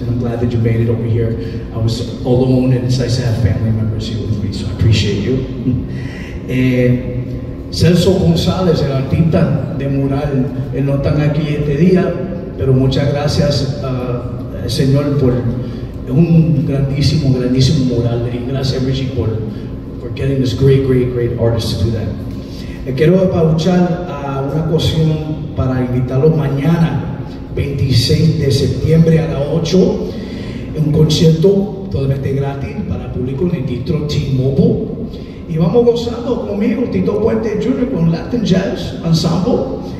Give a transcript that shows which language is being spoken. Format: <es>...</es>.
<en>And I'm glad that you made it over here. I was alone, and it's nice to have family members here with me, so I appreciate you.</en> <es>Celso González, el artista de mural, él no está aquí este día, pero muchas gracias, señor, por un grandísimo, grandísimo mural. Y gracias, Richie, por getting this great, great, great artist to do that. Quiero apauchar a una ocasión para invitarlo mañana, 26 de septiembre a las 8, un concierto totalmente gratis para el público en el distro T-Mobile. Y vamos gozando conmigo, Tito Puente Jr., con Latin Jazz Ensemble.</es>